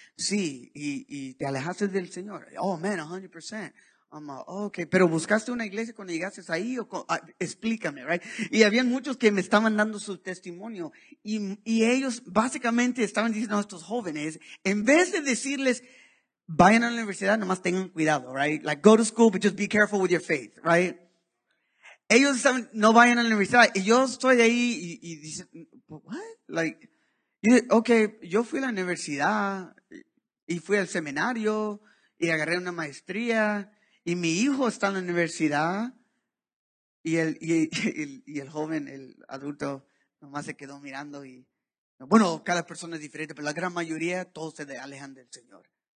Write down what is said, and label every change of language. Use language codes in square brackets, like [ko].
[es] Sí, y te alejaste del Señor. [en] Oh, man, 100%. I'm like, oh, okay, [es] pero ¿buscaste una iglesia cuando llegaste ahí? Explícame, [en] right? [es] Y habían muchos que me estaban dando su testimonio. Y ellos básicamente estaban diciendo a estos jóvenes, en vez de decirles, vayan a la universidad, nomás tengan cuidado, [en] right? Like, go to school, but just be careful with your faith, right? [es] Ellos estaban, no vayan a la universidad. Y yo estoy ahí y dicen, [en] but what? Like, okay, [es] yo fui a la universidad y fui al seminario y agarré una maestría y mi hijo está en la universidad y el joven, el adulto, nomás se quedó mirando y, bueno, cada persona es diferente, pero la gran mayoría, todos se alejan del Señor.